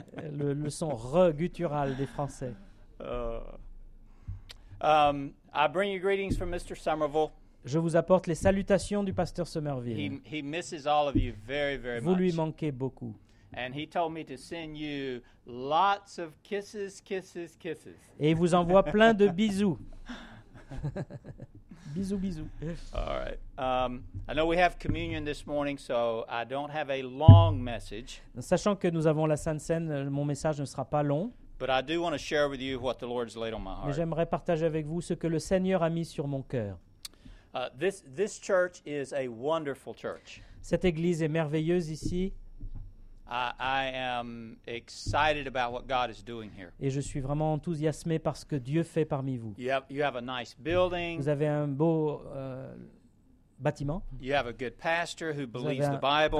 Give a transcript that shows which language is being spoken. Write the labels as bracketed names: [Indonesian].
[French] le son r guttural des Français. [English] I bring you greetings from Mr. Somerville. [French] Je vous apporte les salutations du pasteur Somerville. [English] He misses all of you very, very [French] vous [English] much. [French] Lui manquez beaucoup. [English] And he told me to send you lots of kisses, kisses, kisses. [French] Et il vous envoie plein de bisous. Bisous, bisous. [English] All right. I know we have communion this morning, so I don't have a long message. [French] Sachant que nous avons la Sainte Cène, mon message ne sera pas long. [English] But I do want to share with you what the Lord has laid on my heart. [French] Mais j'aimerais partager avec vous ce que le Seigneur a mis sur mon cœur. [English] This church is a wonderful church. [French] Cette église est merveilleuse ici. [English] I am excited about what God is doing here. [French] Et je suis vraiment enthousiasmé par ce que Dieu fait parmi vous. [English] You have a nice building. [French] Vous avez un beau bâtiment. [English] You have a good pastor who believes the Bible.